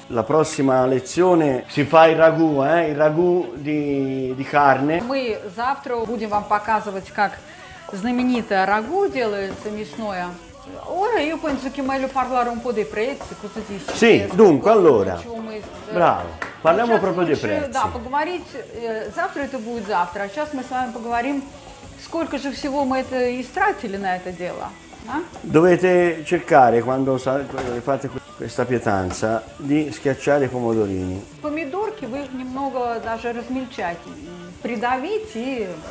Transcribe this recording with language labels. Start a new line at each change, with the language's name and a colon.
Italian: La prossima lezione si fa il ragù di carne.
Russian: Мы завтра будем вам показывать, как знаменитое рагу делается мясное.
Italian: Ora io penso che meglio parlare un po' dei prezzi, cosa dici? Sì, dunque, allora, bravo, parliamo proprio dei prezzi.
Russian: Да, поговорить, завтра это будет завтра, а сейчас мы с вами поговорим, сколько же всего мы это истратили на это дело.
Italian: Dovete cercare, quando fate questa pietanza, di schiacciare i pomodorini.
Russian: Помидорки вы немного даже размельчать, придавить и...